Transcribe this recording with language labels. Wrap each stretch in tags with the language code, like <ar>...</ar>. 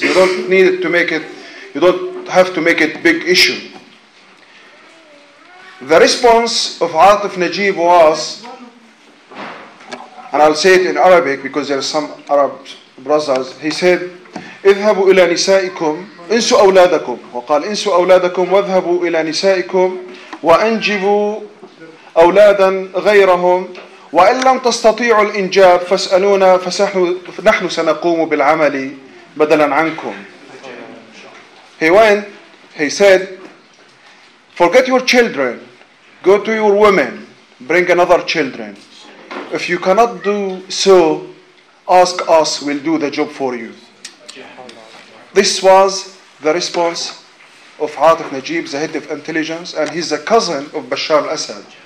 <en>You don't need to make it, you don't have to make it a big issue. The response of Atif Najib was, and I'll say it in Arabic because there are some Arab brothers, he said,</en> <ar>"Idhhabu ila nisaikum, insu awladakum." وقال, "Insu awladakum, wadhhabu ila nisaikum, wa anjibu أولادا غيرهم وإن لم تستطيعوا الإنجاب فاسألونا فنحن سنقوم بالعمل بدلا عنكم."</ar> <en>He went, he said, "Forget your children, go to your women, bring another children. If you cannot do so, ask us, we'll do the job for you." This was the response of Atif Najib, the head of intelligence, and he's the cousin of Bashar al-Assad.</en>